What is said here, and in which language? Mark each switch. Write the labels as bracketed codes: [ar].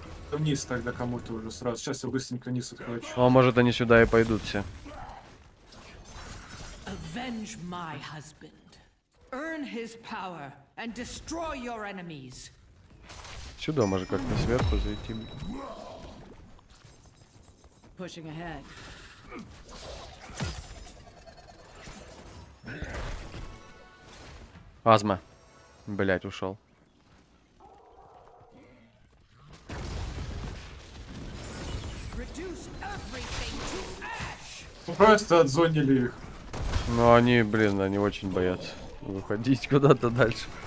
[ru] Вниз тогда кому-то уже сразу. Сейчас я быстренько вниз отхвачу. А может они сюда и пойдут все. [en] Avenge my husband. Earn his power and destroy your enemies. [ru] Сюда может как-то сверху зайти. [en] Pushing ahead. [ru] Азма. Блять, ушел. [en] Reduce everything to ash. [ru] Просто отзонили их. Ну они, блин, они очень боятся выходить куда-то дальше.